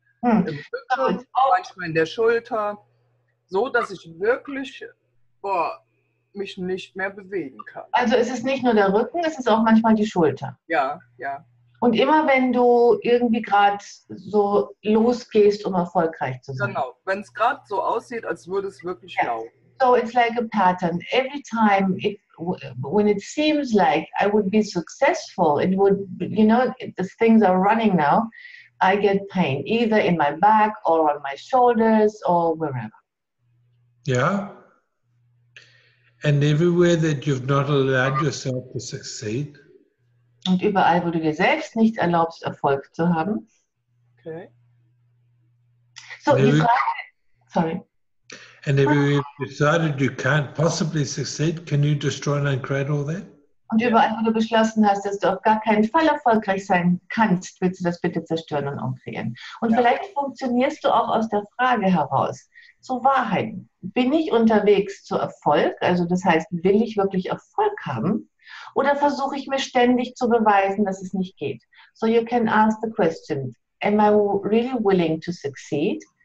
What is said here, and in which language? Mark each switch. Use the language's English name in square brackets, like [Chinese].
[German] Im Rücken, manchmal in der Schulter. So, dass ich wirklich mich nicht mehr bewegen kann. Also es ist nicht nur der Rücken, es ist auch manchmal die Schulter. Ja, ja. Und immer, wenn du irgendwie gerade so losgehst, um erfolgreich zu sein. Genau, wenn es gerade so aussieht, als würde es wirklich laufen. [English] So it's like a pattern. Every time, when it seems like I would be successful, it would, you know, the things are running now, I get pain, either in my back or on my shoulders or wherever. Yeah, and everywhere that you've not allowed yourself to succeed, [German] Und überall, wo du dir selbst nicht erlaubst, Erfolg zu haben. Okay. So, die Frage. Sorry. [English] And if you decided you can't possibly succeed, can you destroy and create all that? [German] Und überall, wo du beschlossen hast, dass du auf gar keinen Fall erfolgreich sein kannst, willst du das bitte zerstören und umkreieren. Und ja, vielleicht funktionierst du auch aus der Frage heraus. So, Wahrheit. Bin ich unterwegs zu Erfolg? Also das heißt, will ich wirklich Erfolg haben? Oder versuche ich mir ständig zu beweisen, dass es nicht geht? [English] So you can ask the question, am I really willing to succeed?